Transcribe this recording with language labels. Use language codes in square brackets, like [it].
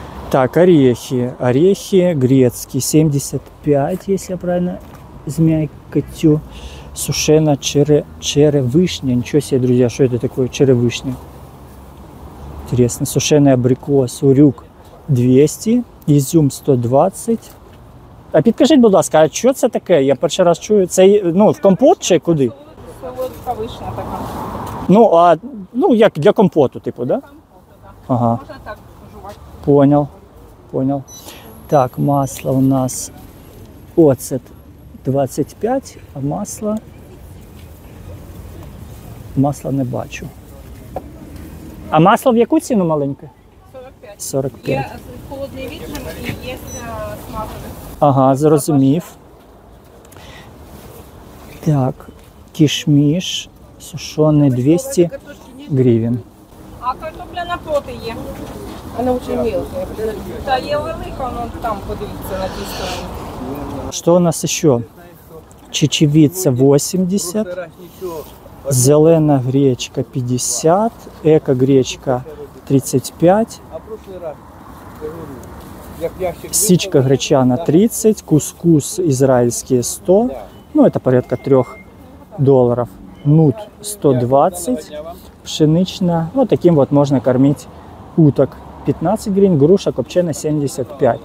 [ru] Так, орехи грецкие 75, если я правильно змякотю, сушена черевышня, ничего себе, друзья, что это такое черевышня, интересно, сушеный абрикос, урюк 200, изюм 120. [uk] А підкажіть, будь ласка, а що це таке? Я перший раз чую. Це, ну, в компот чи куди? Солодка трошка вишня така. Ну, а, ну, як для компоту, типу, да? Компоту, так. Ага. Можна так пожувати. Поняв. Поняв. Так, масло у нас оцет 25, а масло. Масла не бачу. А масло в яку ціну маленьке? 45. 45. Є холодний вітчин і є смаковий. Ага, зрозумів. Так, кішміш сушоний 200 гривен. А картопля на плоти є? Вона дуже мілка. Та є велика, але там подивіться на тій стороні. Що у нас ще? Чечевиця 80. [ru] Зелена гречка 50, эко-гречка 35, сичка гречана 30, кускус израильский 100, ну это порядка 3 долларов, нут 120, пшеничная, вот таким вот можно кормить уток 15 гривен, груша копченая 75.